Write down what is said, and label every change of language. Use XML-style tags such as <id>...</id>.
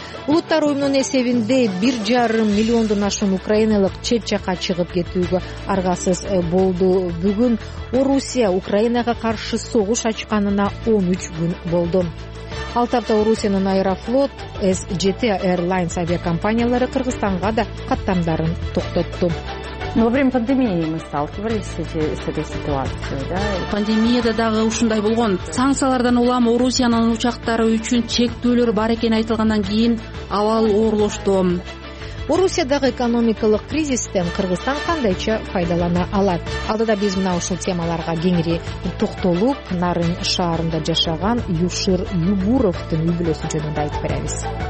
<ky>Улуттар уюмунун эсебинде 1,5 миллиондон ашуун украиналык чет жака чыгып кетүүгө аргасыз болду. Бүгүн Орусия Украинага каршы согуш ачканына 13 күн болду. Алтапта Орусиянын Аэрофлот, SJT Airlines авиакомпаниялары Кыргызстанга да каттамдарын токтотту.</ky> <ru>Во время пандемии мы сталкивались с этой ситуацией, да?</ru> <ky>Пандемияда дагы ушундай болгон. Санкциялардан улам Орусиянын учактары үчүн чектөөлөр бар экени айтылгандан кийин абал оорлошту. Орусиядагы экономикалык кризистен Кыргызстан кандайча пайдалана алат? Алдыда биз мына ушул темаларга кеңири токтолуп, Нарын шаарында жашаган Юшир Юбуровтун үй-бүлөсү жөнүндө айтып беребиз.</ky>